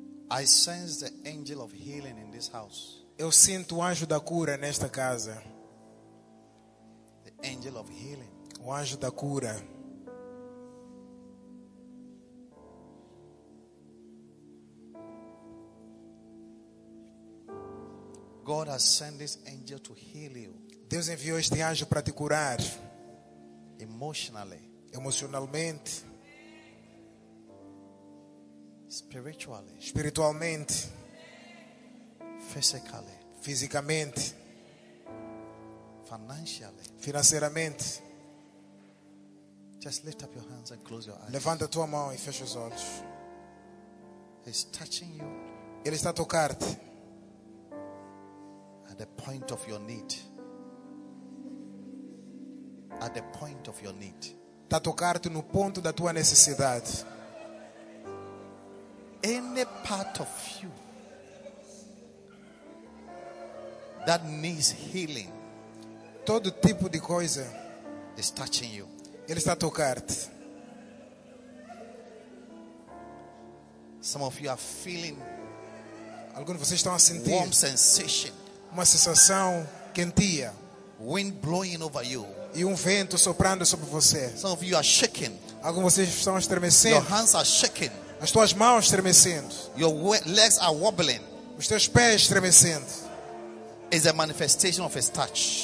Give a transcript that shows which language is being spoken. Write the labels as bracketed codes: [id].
[en] I sense the angel of healing in this house. [pt] Eu sinto o anjo da cura nesta casa. [en] The angel of healing. [pt] O anjo da cura. [en] God has sent this angel to heal you. [pt] Deus enviou este anjo para te curar. [en] Emotionally. [pt] Emocionalmente. [en] Spiritually. [pt] Espiritualmente. [en] Physically. [pt] Fisicamente. [en] Financially. [pt] Financeiramente. [en] Just lift up your hands and close your eyes. [pt] Levanta tua mão e fecha os olhos. [en] He's touching you. [pt] Ele está a tocar-te. [en] At the point of your need. At the point of your need. [pt] Está a tocar-te no ponto da tua necessidade. [en] Any part of you that needs healing, [pt] todo tipo de coisa, [en] is touching you. [pt] Ele está a tocar-te. [en] Some of you are feeling, [pt] alguns de vocês estão a sentir [en] warm sensation, [pt] uma sensação quentia, [en] wind blowing over you, [pt] e vento soprando sobre você. [en] Some of you are shaking, [pt] alguns de vocês estão a estremecer. [en] Your hands are shaking. [pt] As tuas mãos estremecendo. [en] Your legs are wobbling. [pt] Os teus pés estremecendo. [en] Is a manifestation of his touch.